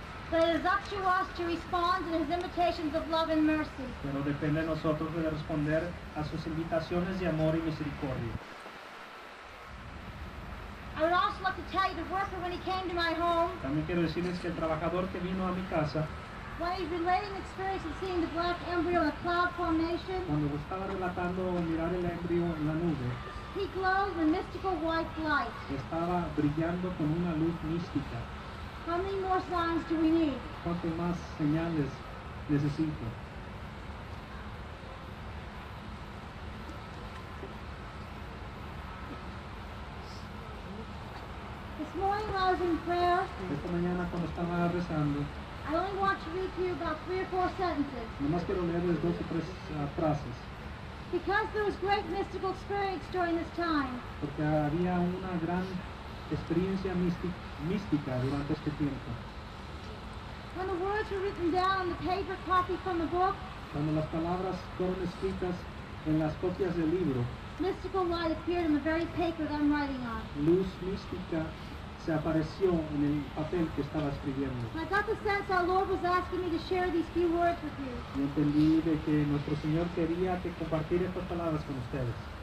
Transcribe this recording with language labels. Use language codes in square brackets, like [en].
[en] But it is up to us to respond to his invitations of love and mercy. [es] Pero depende de nosotros de responder a sus invitaciones de amor y misericordia. [en] I would also like to tell you the worker when he came to my home. [es] También quiero decirles que el trabajador que vino a mi casa. [en] While he's relating the experience of seeing the black embryo in a cloud formation. [es] Cuando estaba relatando mirar el embrio en la nube. [en] He glowed in a mystical white light. [es] Estaba brillando con una luz mística. [en] How many more signs do we need? [es] ¿Cuántas más señales necesito? [en] morning when I was in prayer. [es] Esta mañana cuando estaba rezando. [en] I only want to read to you about three or four sentences. [es] Nomás quiero leerles dos o tres frases. [en] Because there was great mystical experience during this time. [es] Porque había una gran experiencia mística durante este tiempo. [en] When the words were written down on the paper copy from the book. [es] Cuando las palabras fueron escritas en las copias del libro. [en] Mystical light appeared in the very paper that I'm writing on. [es] Luz mística se apareció en el papel que estaba escribiendo. [en] I got the sense our Lord was asking me to share these few words with you. [es] Y entendí de que nuestro Señor quería que compartir estas palabras con ustedes.